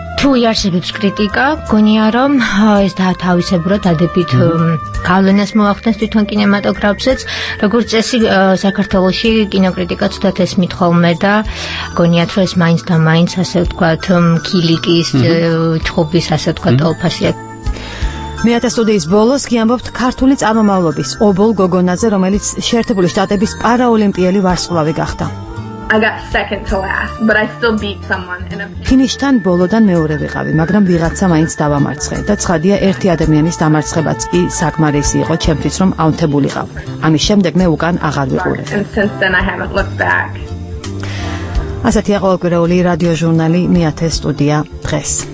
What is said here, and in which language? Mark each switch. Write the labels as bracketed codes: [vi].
[ka] თუ იარსებებს კრიტიკა, გონია რომ ეს დათავისებროთ ადებით გავლენას მოახდენს თვითონ კინემატოგრაფზეც, როგორც წესი საქართველოში კინოკრიტიკა ცუდად ესმით ხოლმე და გონიათ რომ ეს მაინც და მაინც ასე ვთქვათ ქილიკის ჩხობის ასე ვთქვათ ოფასია. მეათე სტუდიის ბოლოს გიამბობთ ქართული წარმომავლობის ობოლ გოგონაზე, რომელიც შეერთებული შტატების პარაოლიმპიელი ვარსკვლავი გახდა. [en] I got second to last, but I still beat someone in a [ka] ფინიშთან ბოლოდან მეორე ვიყავი, მაგრამ ვიღაცა მაინც დავამარცხე და ცხადია ერთი ადამიანის დამარცხებაც კი საკმარისი იყო ჩემთვის, რომ აუნთებულიყავ. ამის შემდეგ მე უკან აღარ ვიყურე. ასეთია ყოველკვირეული რადიო ჟურნალი მეათე სტუდია დღეს.